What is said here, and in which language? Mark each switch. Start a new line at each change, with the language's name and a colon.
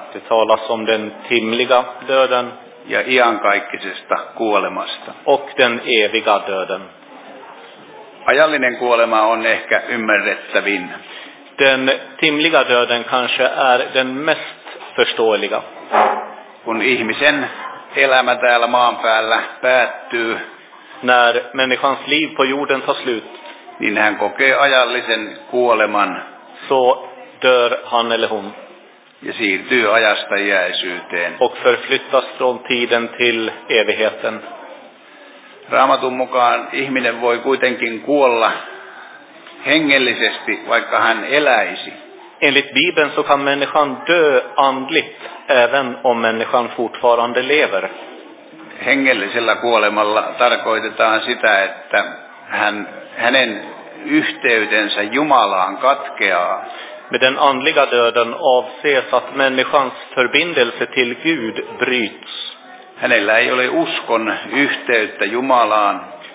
Swedish: Det talas om den timliga döden.
Finnish: Ja iankaikkisesta kuolemasta.
Swedish: Och den eviga döden.
Finnish: Ajallinen kuolema on ehkä ymmärrettävin.
Swedish: Den timliga döden kanske är den mest förståeliga.
Finnish: Kun ihmisen elämä täällä maan päällä päättyy.
Swedish: När människans liv på jorden tar slut.
Finnish: Niin hän kokee ajallisen kuoleman.
Swedish: Så dör han eller hon.
Finnish: Ja siirtyy ajasta iäisyyteen.
Swedish: Och förflyttas från tiden till evigheten.
Finnish: Raamatun mukaan ihminen voi kuitenkin kuolla hengellisesti, vaikka hän eläisi.
Swedish: Enligt Bibeln så kan människan dö andligt, även om människan fortfarande lever.
Finnish: hengellisellä kuolemalla tarkoitetaan sitä, että hänen yhteytensä Jumalaan katkeaa.
Swedish: Med den andliga döden avses att människans förbindelse till Gud bryts.
Finnish: Hänellä ei ole uskon yhteyttä Jumalaan.